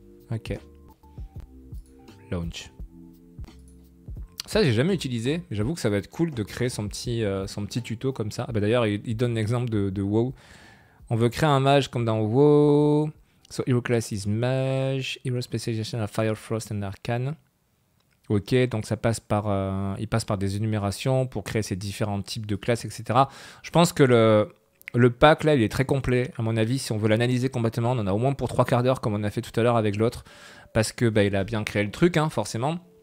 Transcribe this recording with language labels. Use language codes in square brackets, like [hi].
[fr] Ok. Launch. Ça, j'ai jamais utilisé. Mais j'avoue que ça va être cool de créer son petit tuto comme ça. Ah, bah, d'ailleurs, il donne l'exemple de WoW. On veut créer un mage comme dans WoW. [en] So, Hero Class is Mage. Hero Specialization are Fire, Frost and Arcane. [fr] Ok, donc ça passe par, il passe par des énumérations pour créer ces différents types de classes, etc. Je pense que le pack, là, il est très complet, à mon avis. Si on veut l'analyser complètement, on en a au moins pour 3 quarts d'heure, comme on a fait tout à l'heure avec l'autre, parce que bah, il a bien créé le truc, hein, forcément.